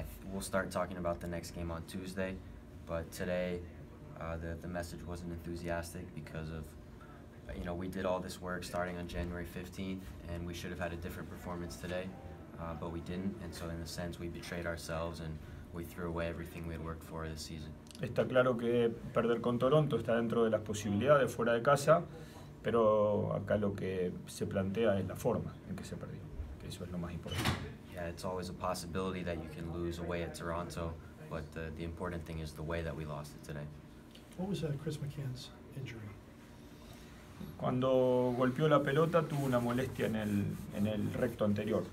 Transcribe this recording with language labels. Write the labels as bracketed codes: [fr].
[en] We'll start talking about the next game on Tuesday, but today the message wasn't enthusiastic because of, you know, we did all this work starting on January 15th, and we should have had a different performance today, but we didn't, and so in a sense we betrayed ourselves and we threw away everything we had worked for this season. [es] Está claro que perder con Toronto está dentro de las posibilidades fuera de casa, pero acá lo que se plantea es la forma en que se perdió, que eso es lo más importante. [en] Yeah, it's always a possibility that you can lose away at Toronto, but the important thing is the way that we lost it today. What was Chris McCann's injury? [es] Cuando golpeó la pelota tuvo una molestia en el recto anterior.